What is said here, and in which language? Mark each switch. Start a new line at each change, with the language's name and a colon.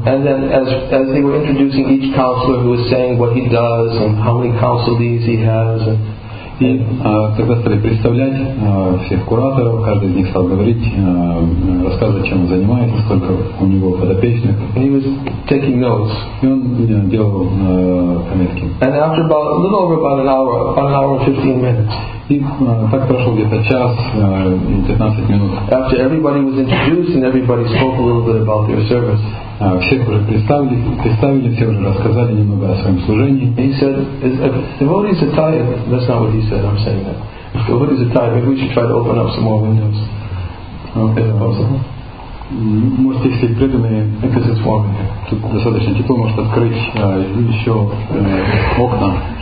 English: And then as they were introducing each counselor, he was saying what he does and how many counselees he has.
Russian: И когда стали представлять всех кураторов, каждый из них стал говорить, рассказывать, чем он занимается, сколько у него подопечных.
English: And he was taking notes.
Russian: И он делал пометки.
English: And after about a little over about an hour and 15 minutes.
Russian: И так прошел где-то час, 15 минут.
English: After everybody was introduced and everybody spoke a little bit about their service.
Russian: Всех уже представили, все уже рассказали немного о своем служении.
English: He said, if devotees are tired, that's not what he said, I'm saying that. If devotees are tired, maybe we should try to open up some more windows. Okay, possible.
Russian: Может, если преданные,
English: because it's warm here.
Russian: Тут достаточно тепло, может открыть еще окна.